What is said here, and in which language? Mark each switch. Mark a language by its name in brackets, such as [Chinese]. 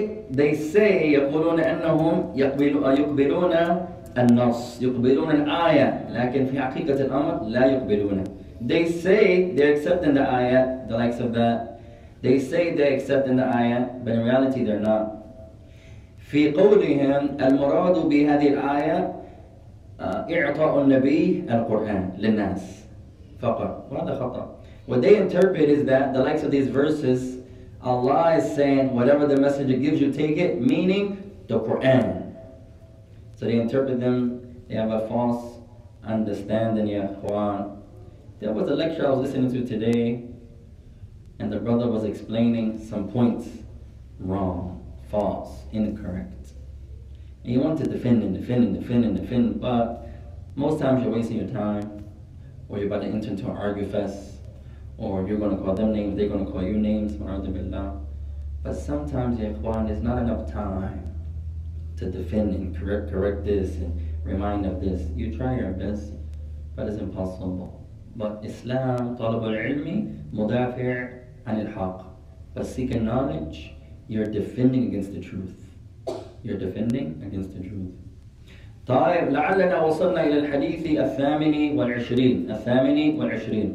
[English] They say [Arabic] يقولون أنهم يقبلون النص يقبلون الآية لكن في حقيقة الأمر لا يقبلونها. [English] They say they accept in the ayah the likes of that. They say they accept in the ayah, but in reality they're not. [Arabic] في قولهم المراد بهذه الآية إعطاء النبي القرآن للناس فقط. وهذا خطأ. [English] What they interpret is that the likes of these verses, Allah is saying, whatever the messenger gives you, take it, meaning the Quran. So they interpret them, they have a false understanding, ya Quran. There was a lecture I was listening to today, and the brother was explaining some points wrong, false, incorrect. And he wanted to defend, but most times you're wasting your time, or you're about to enter into an argue fest, or you're going to call them names, they're going to call you names, but sometimes, ya Ikhwan, there's not enough time to defend and correct this and remind of this. You try your best, but it's impossible. But Islam, [Arabic] طلب العلم مدافع عن الحق. [English] But seeking knowledge, you're defending against the truth. You're defending against the truth. [Arabic] طيب لعلنا وصلنا إلى الحديث الثامن والعشرين.